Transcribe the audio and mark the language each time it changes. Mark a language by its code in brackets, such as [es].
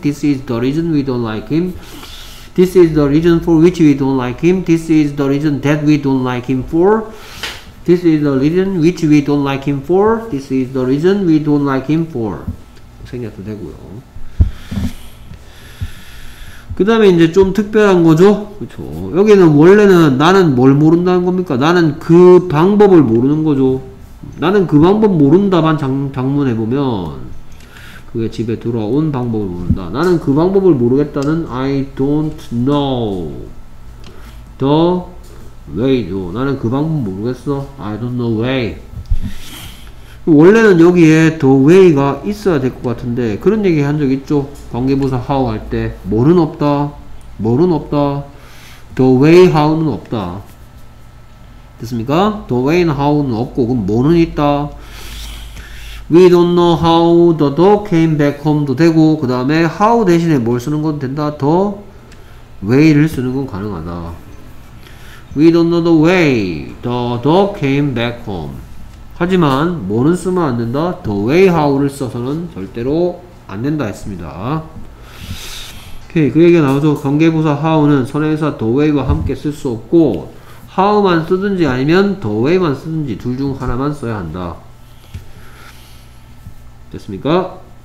[en] This is the reason we don't like him. This is the reason for which we don't like him. This is the reason that we don't like him for. This is the reason which we don't like him for. This is the reason we don't like him for. [ko] 생략도 되고요. 그 다음에 이제 좀 특별한 거죠. 그렇죠. 여기는 원래는 나는 뭘 모른다는 겁니까? 나는 그 방법을 모르는 거죠. 나는 그 방법 모른다만 방문해보면 그게 집에 들어온 방법을 모른다. 나는 그 방법을 모르겠다는 [en] I don't know the way [ko] 죠. 나는 그 방법 모르겠어. [en] I don't know way. [ko] 원래는 여기에 the way가 있어야 될 것 같은데 그런 얘기 한 적 있죠. 관계부사 how 할 때 뭘은 없다. 뭘은 없다. the way how는 없다. 됐습니까? the way는 how는 없고 그럼 뭐는 있다. [en] We don't know how the dog came back home [ko] 도 되고 그 다음에 how 대신에 뭘 쓰는 건 된다. the way를 쓰는 건 가능하다. [en] We don't know the way the dog came back home. [ko] 하지만 뭐는 쓰면 안 된다. The way how를 써서는 절대로 안 된다 했습니다. 오케이, 그 얘기가 나오죠. 관계부사 how는 선행사 the way와 함께 쓸 수 없고 how만 쓰든지 아니면 the way만 쓰든지 둘 중 하나만 써야 한다. 됐습니까?